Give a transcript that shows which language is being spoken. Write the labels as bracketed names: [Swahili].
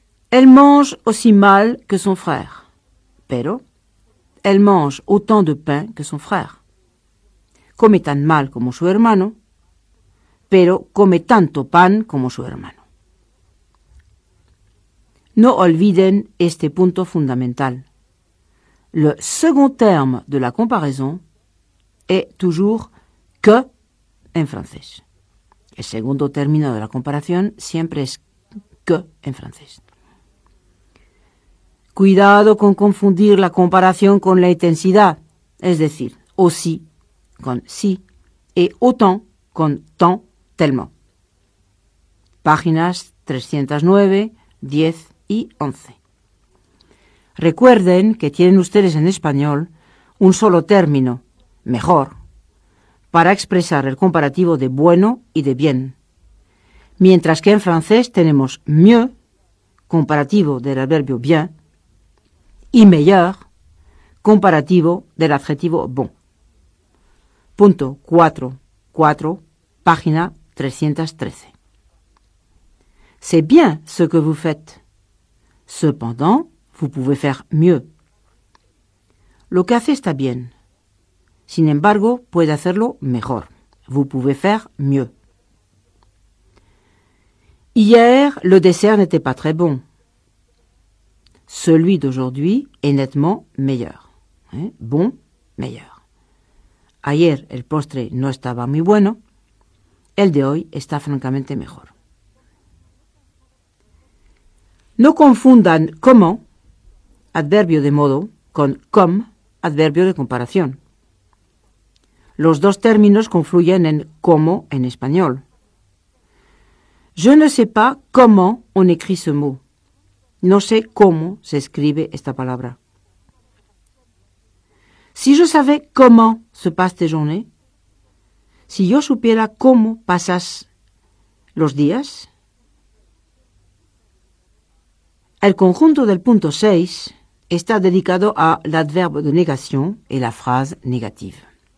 [French] Elle mange aussi mal que son frère, pero elle mange autant de pain que son frère. [Spanish] Come tan mal como su hermano, pero come tanto pan como su hermano. No olviden este punto fundamental. [French] Le second terme de la comparaison est toujours que [Spanish] en francés. El segundo término de la comparación siempre es que en francés. Cuidado con confundir la comparación con la intensidad, es decir, aussi con si y autant con tant, tellement. Páginas 309, 10 y 11. Recuerden que tienen ustedes en español un solo término, mejor, para expresar el comparativo de bueno y de bien, mientras que en francés tenemos mieux, comparativo del adverbio bien, y meilleur, comparativo del adjetivo bon. Punto 4.4, página 313. [French] C'est bien ce que vous faites. Cependant, vous pouvez faire mieux. [Spanish] Lo que hace está bien. Sin embargo, puede hacerlo mejor. [French] Vous pouvez faire mieux. Hier, le dessert n'était pas très bon. Celui d'aujourd'hui est nettement meilleur. Bon, meilleur. [Spanish] Ayer el postre no estaba muy bueno. El de hoy está francamente mejor. No confundan comment, adverbio de modo, con comme, adverbio de comparación. Los dos términos confluyen en como en español. [French] Je ne sais pas comment on écrit ce mot. [Spanish] No sé cómo se escribe esta palabra. [French] Si je savais comment se passent tes journées, [Spanish] si yo supiera cómo pasas los días, el conjunto del punto 6 está dedicado a l'adverbe de negación y la frase negativa.